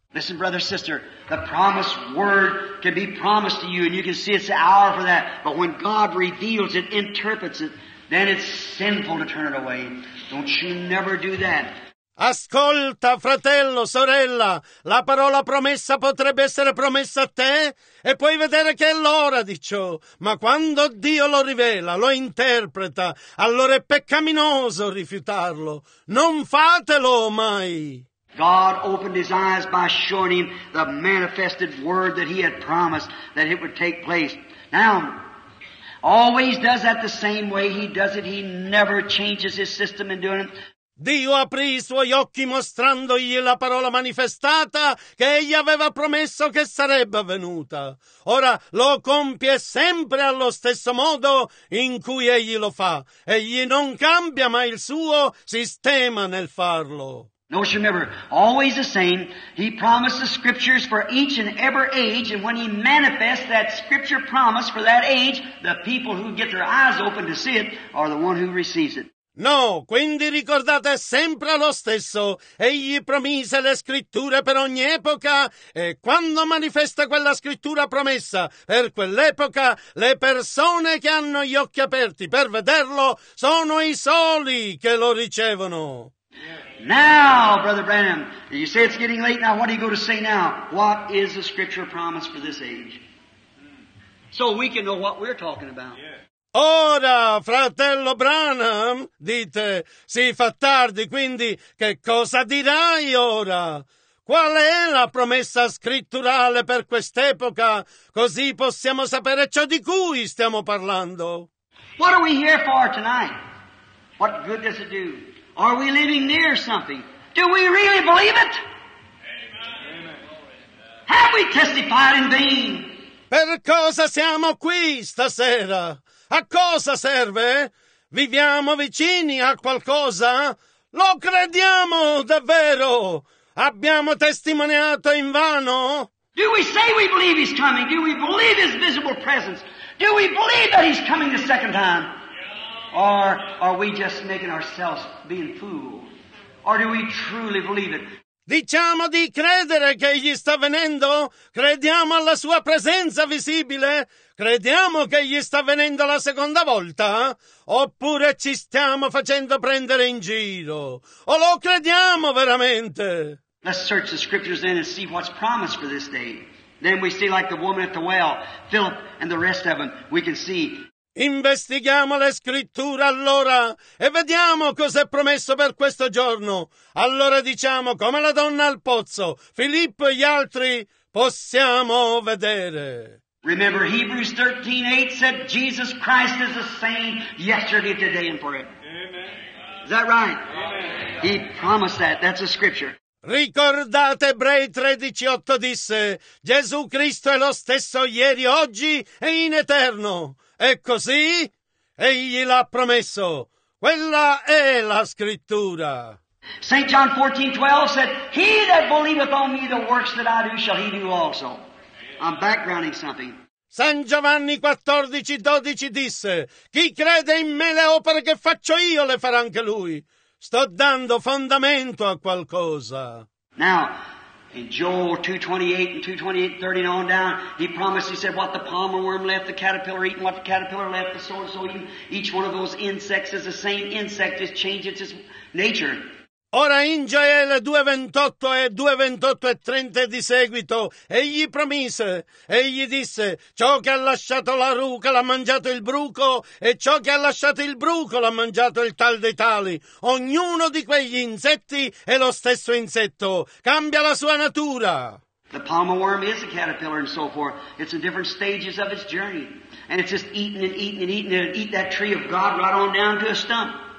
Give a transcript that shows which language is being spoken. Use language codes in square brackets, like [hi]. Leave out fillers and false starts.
[en] Listen, brother, sister, the promised word can be promised to you and you can see it's the hour for that. But when God reveals it, interprets it, then it's sinful to turn it away. Don't you never do that. [it] Ascolta, fratello, sorella, la parola promessa potrebbe essere promessa a te e puoi vedere che è l'ora di ciò, ma quando Dio lo rivela, lo interpreta, allora è peccaminoso rifiutarlo. Non fatelo mai. [en] God opened his eyes by showing him the manifested word that he had promised that it would take place. Now, always does that the same way he does it. He never changes his system in doing it. [it] Dio aprì i suoi occhi mostrandogli la parola manifestata che egli aveva promesso che sarebbe avvenuta. Ora lo compie sempre allo stesso modo in cui egli lo fa. Egli non cambia mai il suo sistema nel farlo. [en] No, you remember, always the same. He promised the scriptures for each and every age, and when he manifests that scripture promise for that age, the people who get their eyes open to see it are the one who receives it. [it] No, quindi ricordate sempre lo stesso. Egli promise le scritture per ogni epoca e quando manifesta quella scrittura promessa per quell'epoca, le persone che hanno gli occhi aperti per vederlo sono i soli che lo ricevono. [en] Now, Brother Branham, you say it's getting late now. What are you going to say now? What is the scripture promise for this age? So we can know what we're talking about. [it] Ora, fratello Branham, dite, si fa tardi, quindi che cosa dirai ora? Qual è la promessa scritturale per quest'epoca? Così possiamo sapere ciò di cui stiamo parlando. [en] What are we here for tonight? What good does it do? Are we living near something? Do we really believe it? Amen. Have we testified in vain? [it] Per cosa siamo qui stasera? A cosa serve? Viviamo vicini a qualcosa? Lo crediamo davvero? Abbiamo testimoniato in vano? [en] Do we say we believe he's coming? Do we believe his visible presence? Do we believe that he's coming the second time? Or are we just making ourselves being fooled? Or do we truly believe it? [it] Diciamo di credere che egli sta venendo? Crediamo alla sua presenza visibile? Crediamo che egli sta venendo la seconda volta? Oppure ci stiamo facendo prendere in giro? O lo crediamo veramente? [en] Let's search the scriptures then and see what's promised for this day. Then we see like the woman at the well, Philip and the rest of them, we can see. [it] Investighiamo le scritture allora e vediamo cos'è promesso per questo giorno. Allora diciamo, come la donna al pozzo, Filippo e gli altri, possiamo vedere. [en] Remember Hebrews 13:8 said Jesus Christ is the same yesterday, today and forever. Amen. Is that right? Amen. He promised that. That's a scripture. [it] Ricordate Ebrei 13:8 disse Gesù Cristo è lo stesso ieri, oggi e in eterno. E così egli l'ha promesso. Quella è la scrittura. [en] St. John 14:12 said he that believeth on me the works that I do shall he do also. I'm backgrounding something. [it] San Giovanni 14:12 disse chi crede in me le opere che faccio io le farà anche lui. Sto dando fondamento a qualcosa. [en] Now, in Joel 2:28 and 2:28:30 and on down, he promised, he said, what the palmer worm left, the caterpillar eaten, what the caterpillar left, the so-and-so eaten. Each one of those insects is the same insect, just changes its nature. [it] Ora in Gioele 2:28 e 2:28 e 2:30 di seguito, egli promise, egli disse, ciò che ha lasciato la ruca l'ha mangiato il bruco, e ciò che ha lasciato il bruco l'ha mangiato il tal dei tali. Ognuno di quegli insetti è lo stesso insetto, cambia la sua natura. [en] The palmer worm is a caterpillar and so forth. It's in different stages of its journey. And it's just eating and eating and eating, and eat that tree of God right on down to a stump.